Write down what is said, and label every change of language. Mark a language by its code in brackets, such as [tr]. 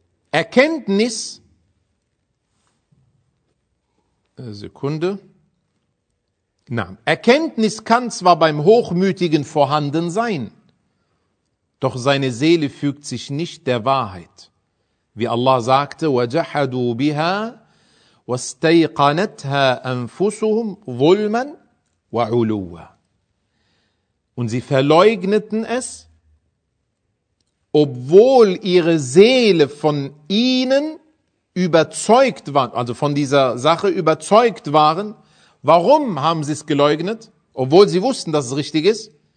[de] Erkenntnis, Sekunde, na, Erkenntnis kann zwar beim Hochmütigen vorhanden sein, doch seine Seele fügt sich nicht der Wahrheit. Wie Allah sagte, [ar] وَجَحَدُوا بِهَا وَاسْتَيْقَنَتْهَا أَنفُسُهُمْ ظُلْمًا وَعُلُوًا. [de] Und sie verleugneten es, obwohl ihre Seele von ihnen überzeugt war, also von dieser Sache überzeugt waren. Warum haben sie es geleugnet? Obwohl sie wussten, dass es richtig ist.